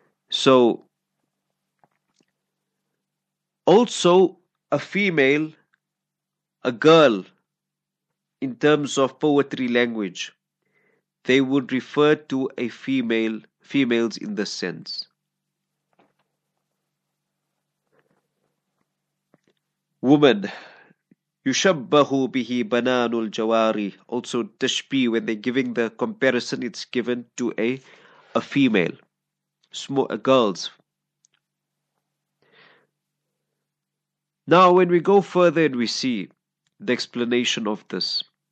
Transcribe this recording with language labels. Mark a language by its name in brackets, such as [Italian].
[English] So, also a female, a girl, in terms of poetry language, they would refer to a female, females in this sense. Woman, [Arabic] يُشَبَّهُ بِهِ بَنَانُ الْجَوَارِ. [English] Also, tashbih, when they're giving the comparison, it's given to a female, small, a girls. Now, when we go further and we see the explanation of this.